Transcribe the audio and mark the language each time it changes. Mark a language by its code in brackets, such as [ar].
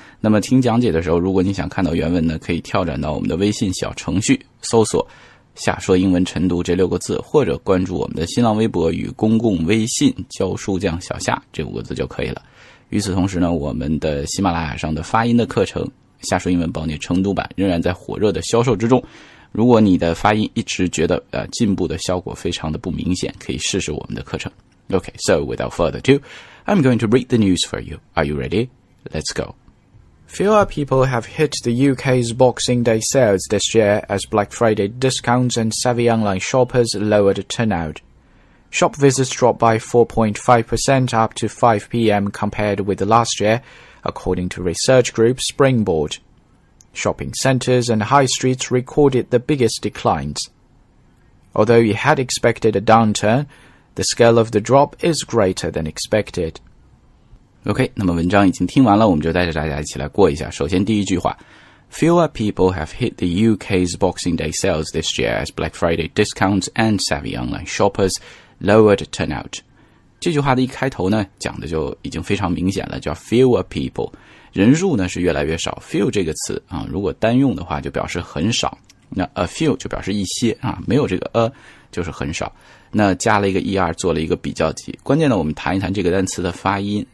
[zh] 那么听讲解的时候，如果你想看到原文呢，可以跳转到我们的微信小程序，搜索下说英文晨读这六个字，或者关注我们的新浪微博与公共微信教书匠小夏这五个字就可以了。与此同时呢，我们的喜马拉雅上的发音的课程下说英文帮你晨读版仍然在火热的销售之中。如果你的发音一直觉得进步的效果非常的不明显，可以试试我们的课程。 [en] Okay, so without further ado, I'm going to read the news for you. Are you ready? Let's go. Fewer people have hit the UK's Boxing Day sales this year as Black Friday discounts and savvy online shoppers lowered turnout. Shop visits dropped by 4.5% up to 5pm compared with last year, according to research group Springboard. Shopping centres and high streets recorded the biggest declines. Although you had expected a downturn,The scale of the drop is greater than expected. [zh] OK, 那么文章已经听完了，我们就带着大家一起来过一下。 [en] 首先第一句话， Fewer people have hit the UK's Boxing Day sales this year as Black Friday discounts and savvy online shoppers lowered turnout. [zh] 这句话的一开头呢，讲的就已经非常明显了，叫 fewer people. 人数呢是越来越少， few 这个词啊，如果单用的话就表示很少。那 a few 就表示一些啊，没有这个 a 就是很少。那加了一个 er 做了一个比较级。关键呢，我们谈一谈这个单词的发音。